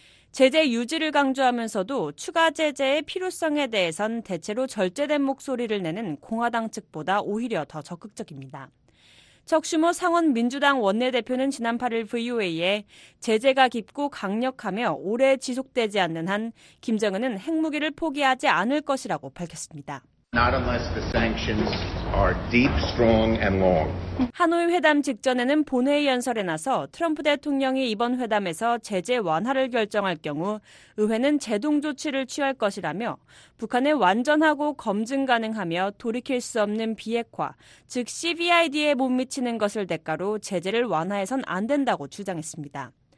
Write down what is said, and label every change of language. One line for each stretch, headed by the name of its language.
Korean: 제재 유지를 강조하면서도 추가 제재의 필요성에 대해선 대체로 절제된 목소리를 내는 공화당 측보다 오히려 더 적극적입니다. 척 슈머 상원 민주당 원내대표는 지난 8일 VOA에 제재가 깊고 강력하며 오래 지속되지 않는 한 김정은은 핵무기를 포기하지 않을 것이라고 밝혔습니다.
English: Not unless the sanctions are deep, strong, and long.
Korean: 하노이 회담 직전에는 본회의 연설에 나서 트럼프 대통령이 이번 회담에서 제재 완화를 결정할 경우 의회는 제동 조치를 취할 것이라며 북한의 완전하고 검증 가능하며 돌이킬 수 없는 비핵화, 즉 CVID에 못 미치는 것을 대가로 제재를 완화해선 안 된다고 주장했습니다.